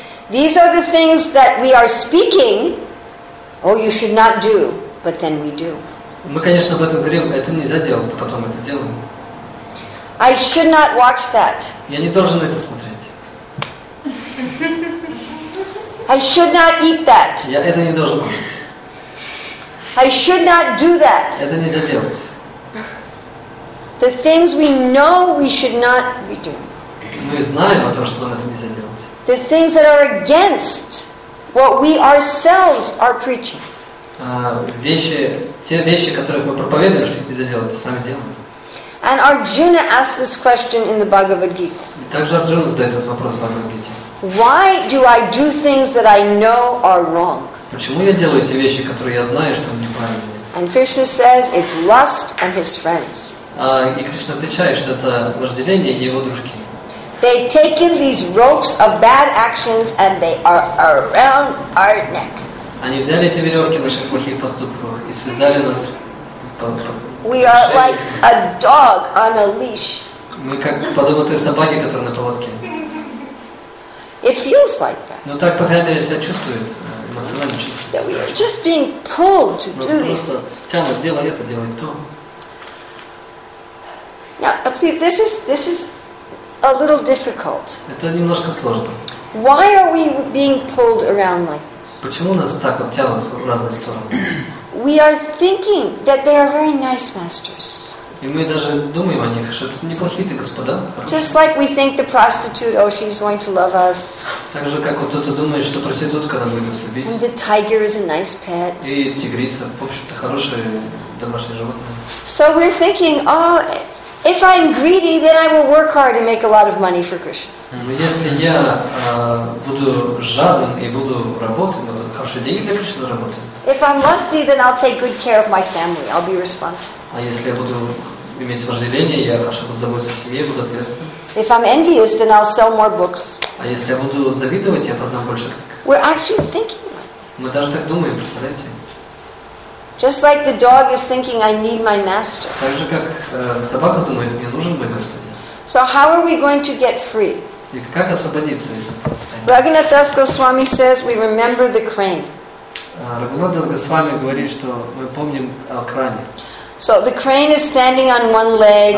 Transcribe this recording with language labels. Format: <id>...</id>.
<en>These are the things that we are speaking. Oh, you should not do, but then we do.</en> <ru>Мы, конечно, об этом говорим. Это нельзя делать, потом это делаем.</ru> <en>I should not watch that.</en> <ru>Я не должен это смотреть.</ru> <en>I should not eat that.</en> <ru>Я это не должен кушать.</ru> <en>I should not do that.</en> <ru>Это нельзя делать.</ru> <en>The things we know we should not be doing.</en> <ru>Мы знаем о том, что нам это нельзя делать.</ru> <en>The things that are against what we ourselves are preaching.</en> <ru>Те вещи, которые мы проповедуем, что нельзя делать, сами делаем.</ru> <en>And Arjuna asks this question in the Bhagavad Gita.</en> <ru>Также Арджуна задает этот вопрос в Бхагавад Гите.</ru> <en>Why do I do things that I know are wrong?</en> <ru>Почему я делаю те вещи, которые я знаю, что неправильные?</ru> <en>And Krishna says it's lust and his friends.</en> <ru>И Кришна отвечает, что это вожделение и его дружки.</ru> <en>They've taken these ropes of bad actions and they are around our neck.</en> <ru>Они взяли эти веревки наших плохих поступков и связали нас.</ru> <en>We are like a dog on a leash.</en> <ru>Мы как подобно той собаке, которая на поводке.</ru> <en>It feels like that.</en> <ru>Ну так, по крайней мере, себя чувствует, эмоционально чувствует.</ru> <en>That we are just being pulled to do these things.</en> <ru>Тянут, делай это, делай то.</ru> <en>Now, please, this is a little difficult.</en> <ru>Это немножко сложно.</ru> <en>Why are we being pulled around like this?</en> <ru>Почему нас так вот тянут в разные стороны?</ru> <en>We are thinking that they are very nice masters.</en> <ru>И мы даже думаем о них, что это неплохие ты, господа.</ru> <en>Just like we think the prostitute, oh, she's going to love us.</en> <ru>Так же, как вот кто-то думает, что проститутка нам будет нас любить.</ru> <en>And the tiger is a nice pet.</en> <ru>И тигрица, в общем-то, хорошее домашнее животное.</ru> <en>So we're thinking, oh, if I'm greedy, then I will work hard and make a lot of money for Krishna.</en> <ru>Если я буду жадным и буду работать, но хорошие деньги для Кришны заработаю.</ru> <en>If I'm lusty, then I'll take good care of my family. I'll be responsible.</en> <ru>А если я буду иметь вожделение, я хорошо буду заботиться о семье, буду ответственным.</ru> <en>If I'm envious, then I'll sell more books.</en> <ru>А если я буду завидовать, я продам больше книг.</ru> <en>We're actually thinking like this.</en> <ru>Мы даже так думаем, представляете?</ru> <en>Just like the dog is thinking, I need my master.</en> <ru>Так же, как собака думает, мне нужен мой господин.</ru> <en>So how are we going to get free?</en> <ru>И как освободиться из этого состояния?</ru> <en>Raghunath Das Goswami says, we remember the crane.</en> <ru>Raghunath Das Goswami говорит, что мы помним о кране.</ru> <en>So the crane is standing on one leg.</en>